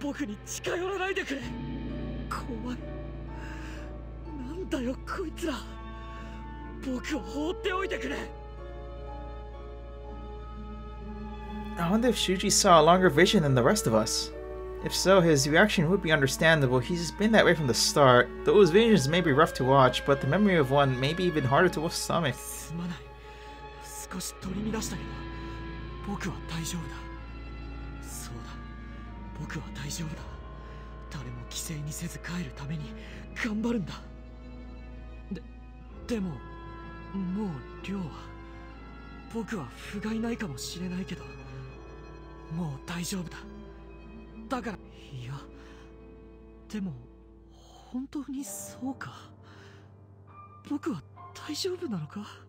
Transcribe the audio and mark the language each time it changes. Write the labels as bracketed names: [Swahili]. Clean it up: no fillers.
[Japanese] タクマか。よかった。無事に合流できて。シュウジさん、怪我とかは?ああ、なんともない。なんともないんだ。でもすっげえ汗かいてるし、顔色も悪いぜ。シュウジ。うるさい!モンスターが僕に近寄らないでくれ!怖い。なんだよ、こいつら。僕を放っておいてくれ! [English] I wonder if Shuji saw a longer vision than the rest of us. If so, his reaction would be understandable. He's been that way from the start. Those visions may be rough to watch, but the memory of one may be even harder to stomach. [Japanese] すこし取り乱したけど僕は大丈夫だ。そうだ。僕は大丈夫だ。誰も犠牲にせず帰るために頑張るんだ。でも、もう量は僕は不甲斐ないかもしれないけど、もう大丈夫だ。だから、いや、でも本当にそうか。僕は大丈夫なのか？